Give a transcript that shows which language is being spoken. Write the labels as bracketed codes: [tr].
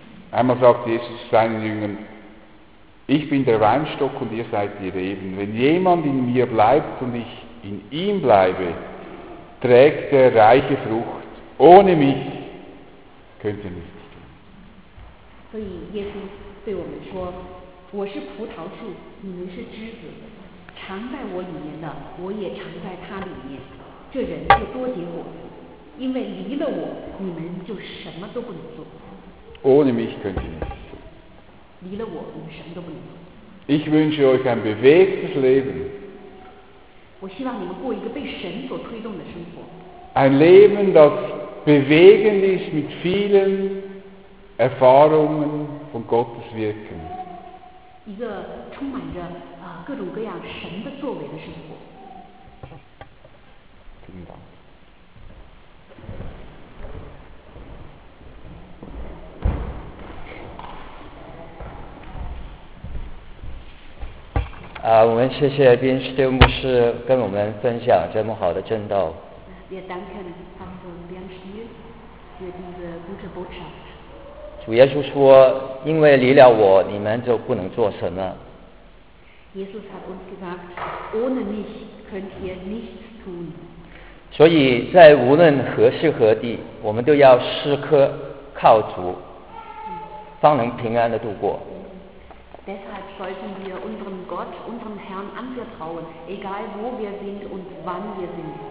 [de] Einmal sagt Jesus seinen Jüngern, ich bin der Weinstock und ihr seid die Reben. Wenn jemand in mir bleibt und ich in ihm bleibe, trägt er reiche Frucht. Ohne mich könnt ihr nichts tun. [zh] 我是葡萄树，你们是枝子，常在我里面的，我也常在他里面。这人就多结果子，因为离了我，你们就什么都不能做。 [de] Ohne mich könnt ihr nichts. [zh] 离了我，你们什么都不能做。 [de] Ich wünsche euch ein bewegtes Leben. [zh] 我希望你们过一个被神所推动的生活。 [de] Ein Leben, das bewegend ist mit vielen Erfahrungen von Gottes Wirken. [zh] 一个充满着啊各种各样神的作为的生活。啊，我们谢谢宾士丁牧师跟我们分享这么好的正道。也感谢呢，他们说连续决定的不是不少。主耶稣说，因为离了我，你们就不能做什么。耶稣才不是他 [de] ohne mich könnt ihr nichts tun。 [zh] 所以在无论何时何地，我们都要时刻靠主，方能平安地度过。 [de] Deshalb sollten wir unserem Gott, unserem Herrn anvertrauen, egal wo wir sind und wann wir sind。